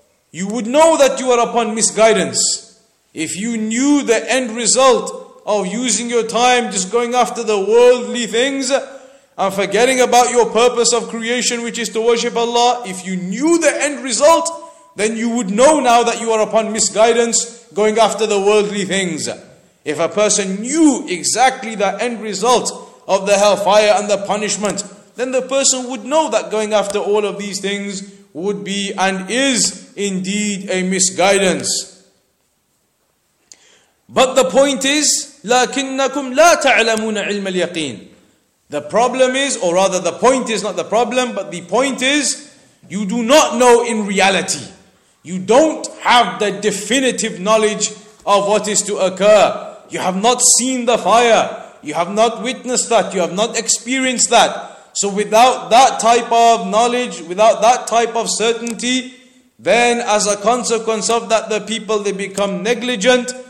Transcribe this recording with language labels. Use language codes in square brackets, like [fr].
[en] You would know that you are upon misguidance. If you knew the end result of using your time just going after the worldly things and forgetting about your purpose of creation, which is to worship Allah, if you knew the end result, then you would know now that you are upon misguidance going after the worldly things. If a person knew exactly the end result of the hellfire and the punishment, then the person would know that going after all of these things would be and is indeed a misguidance. But the point is, [ar] لَكِنَّكُمْ لَا تَعْلَمُونَ عِلْمَ الْيَقِينَ. [en] The problem is, or rather the point is not the problem, but the point is, you do not know in reality. You don't have the definitive knowledge of what is to occur. You have not seen the fire. You have not witnessed that. You have not experienced that. So without that type of knowledge, without that type of certainty, then as a consequence of that, the people, they become negligent.